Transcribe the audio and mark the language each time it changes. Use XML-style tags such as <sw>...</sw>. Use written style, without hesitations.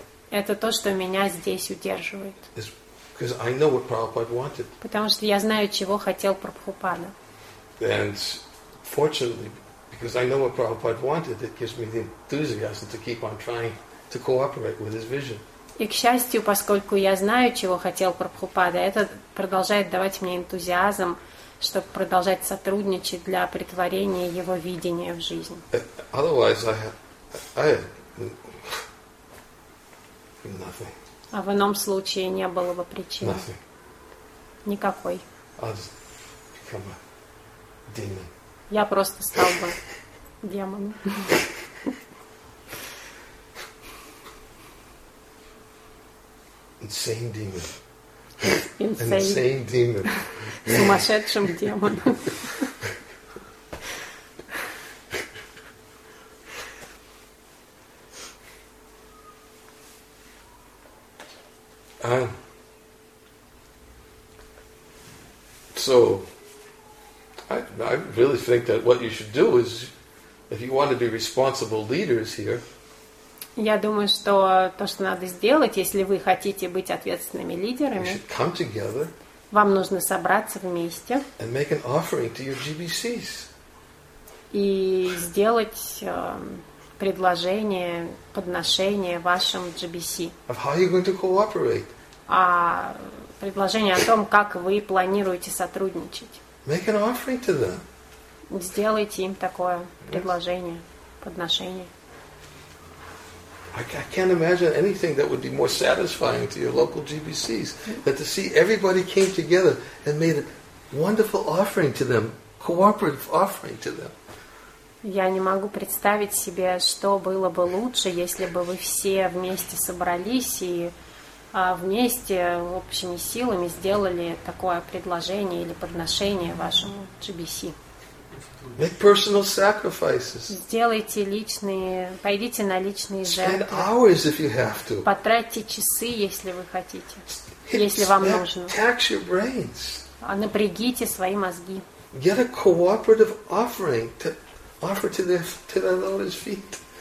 <ru>Это то, что меня здесь удерживает.</ru> <en>Because I know what Prabhupada wanted.</en> <ru>Потому что я знаю, чего хотел Прабхупада.</ru> <en>And fortunately, because I know what Prabhupada wanted, it gives me the enthusiasm to keep on trying to cooperate with his vision.</en> <ru>И к счастью, поскольку я знаю, чего хотел Прабхупада, это продолжает давать мне энтузиазм, чтобы продолжать сотрудничать для претворения его видения в жизни.</ru> <en>Otherwise, I had nothing.</en> <ru>А в ином случае не было бы причины.</ru> <en>Nothing.</en> <ru>Никакой.</ru> <en>I'll just become a demon.</en> <ru>Я просто стал бы демоном.</ru> <en>Insane demon. Insane demon.</en> <ru>Сумасшедшим демоном.</ru> <en>So I really think that what you should do is, if you want to be responsible leaders here.</en> <ru>Я думаю, что то, что надо сделать, если вы хотите быть ответственными лидерами.</ru> <en>You should come together.</en> <ru>Вам нужно собраться вместе.</ru> <en>And make an offering to your GBCs.</en> <ru>И сделать предложение, подношение вашим GBC.</ru> <en>Of how you're going to cooperate.</en> <ru>А предложение о том, как вы планируете сотрудничать.</ru> <en>Make an offering to them.</en> <ru>Сделайте им такое предложение, подношение.</ru> <en>I can't imagine anything that would be more satisfying to your local GBCs than to see everybody came together and made a wonderful offering to them, cooperative offering to them.</en> <ru>Я не могу представить себе, что было бы лучше, если бы вы все вместе собрались и вместе общими силами сделали такое предложение или подношение вашему GBC.</ru> <en>Make personal sacrifices.</en> <ru>Сделайте личные, пойдите на личные жертвы.</ru> <en>Spend hours if you have to.</en> <ru>Потратьте часы, если вы хотите, если вам нужно.</ru> <en>Tax your brains.</en> <ru>Напрягите свои мозги.</ru> <en>Get a cooperative offering to offer to their lotus feet.</en>